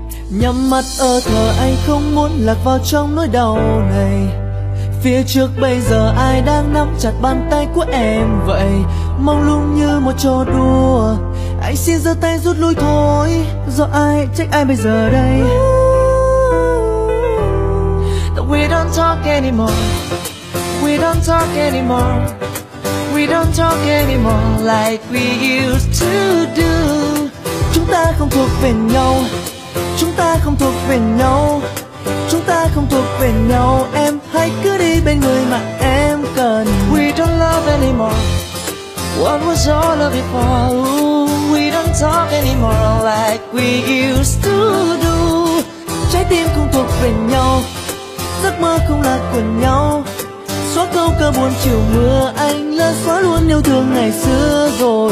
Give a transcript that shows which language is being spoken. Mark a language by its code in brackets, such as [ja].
[vi] Nhắm mắt ơ thờ, anh không muốn lạc vào trong nỗi đau này. Phía trước bây giờ ai đang nắm chặt bàn tay của em vậy? Mong lung như một trò đùa, anh xin giơ tay rút lui thôi. Do ai trách ai bây giờ đây? [en] Ooh, we don't talk anymore, we don't talk anymore, we don't talk anymore like we used to do. [vi] Chúng ta không thuộc về nhau, chúng ta không thuộc về nhau, chúng ta không thuộc về nhau. Em hãy cứ đi bên người mà em cần. [en] We don't love anymore, what was your love before? Ooh, we don't talk anymore like we used to do. [vi] Trái tim không thuộc về nhau, giấc mơ không là của nhau. Xóa câu ca buồn chiều mưa, anh lỡ xóa luôn yêu thương ngày xưa rồi.